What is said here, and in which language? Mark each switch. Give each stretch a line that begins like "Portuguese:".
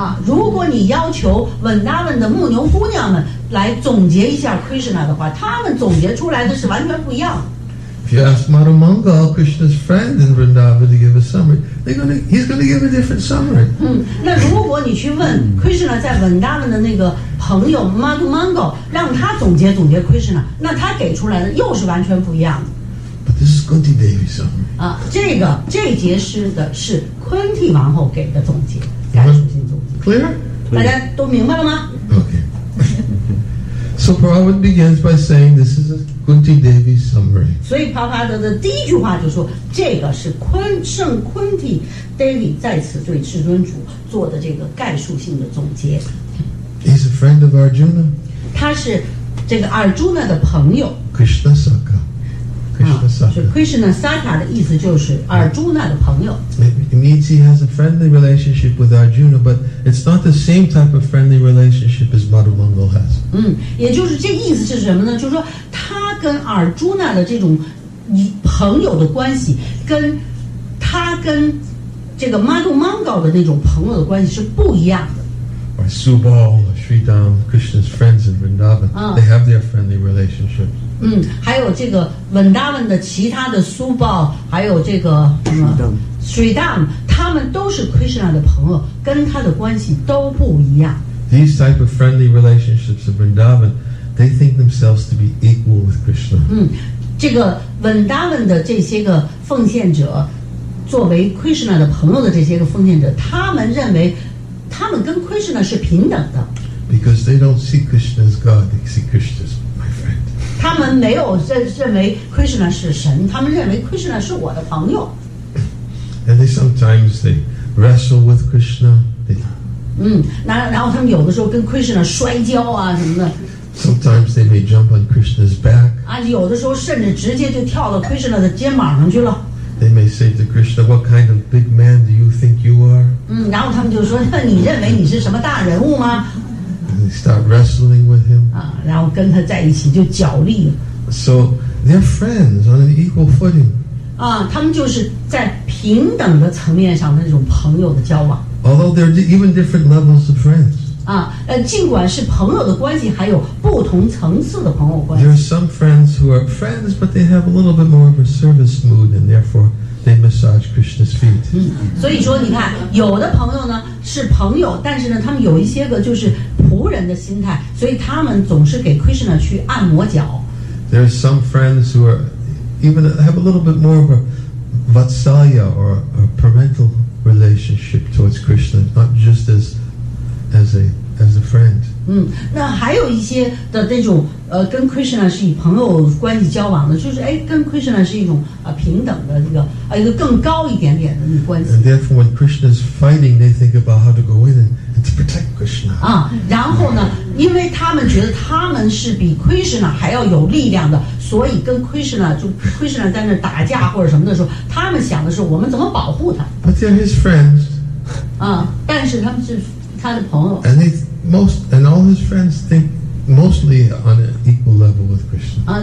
Chinese: 如果你要求 Vrindavan 的牧牛姑娘们来总结一下 Krishna 的话他们总结出来的是完全不一样的
English: If you ask Madhumangal, Krishna's friend in Vrindavan, to give a summary, he's going to give a different summary.
Chinese: 那如果你去问 Krishna 在 Vrindavan 的那个朋友 Madhumangal, 让他总结 Krishna, 那他给出来的又是完全不一样的。
English: But this is Kunti Devi's summary.
Chinese: 这节诗的是 Kunti 王后给的总结，概述性总结。
English: Clear?
Chinese: 大家都明白了吗？
English: Okay. So Prabhupada begins by saying this is a Kunti Devi's summary.
Chinese: 所以帕帕德的第一句话就说，这个是圣昆提 Devi 在此对至尊主做的这个概述性的总结。
English: He's a friend of Arjuna.
Chinese: 他是这个 Arjuna 的朋友。
English: Krishna Sakha.
Chinese: Krishna Sakha 的意思就是 Arjuna 的朋友。
English: It means he has a friendly relationship with Arjuna, but it's not the same type of friendly relationship as Madhumangal has.
Chinese: 也就是这意思是什么呢？就是说他。跟阿尔朱娜的这种朋友的关系跟他跟这个 Madhumangal 的那种朋友的关系是不一样的
English: or Subal or Sridham Krishna's friends in Vrindavan they have their friendly relationships
Chinese: 还有这个 Vrindavan 的其他的 Subal 还有这个 Sridham 他们都是 Krishna 的朋友跟他的关系都不一样
English: these type of friendly relationships in VrindavanThey think themselves to be equal with Krishna.
Chinese: 这个 Vrindavan 的这些个奉献者，作为 Krishna 的朋友的这些个奉献者，他们认为他们跟 Krishna 是平等的。
English: Because they don't see Krishna as God, they see Krishna as my friend.
Chinese: 他们没有认为 Krishna 是神，他们认为 Krishna 是我的朋友。
English: And they sometimes they wrestle with Krishna.
Chinese: 然后他们有的时候跟 Krishna 摔跤啊什么的。
English: Sometimes they may jump on Krishna's back.
Chinese: 有的时候甚至直接就跳到 Krishna 的肩膀上去了。
English: They may say to Krishna, "What kind of big man do you think you are?"
Chinese: 然后他们就说，你认为你是什么大人物吗？
English: They start wrestling with him.
Chinese: 然后跟他在一起就角力。
English: So they're friends on an equal footing.
Chinese: 他们就是在平等的层面上的那种朋友的交往。
English: Although they're even different levels of friends.
Chinese: 尽管是朋友的关系，还有不同层次的朋友关系。
English: There are some friends who are friends, but they have a little bit more of a service mood, and therefore. They massage Krishna's feet.
Chinese: 所以说你看，有的朋友呢是朋友，但是呢他们有一些个就是仆人的心态，所以他们总是给 Krishna 去按摩脚。
English: There are some friends who are even have a little bit more of a vatsalya or a parental relationship towards Krishna, not just as a friend.
Chinese: 那还有一些的那种跟 Krishna 是以朋友关系交往的，就是跟 Krishna 是一种平等的这个一个更高一点点的那关系。
English: And therefore, when Krishna is fighting, they think about how to go in and to protect Krishna.
Chinese: 然后呢，因为他们觉得他们是比 Krishna 还要有力量的，所以跟 Krishna 就 Krishna 在那打架或者什么的时候，他们想的是我们怎么保护他。
English: But they're his friends.
Chinese: 但是他们是。
English: And all his friends think mostly on an equal level with Krishna.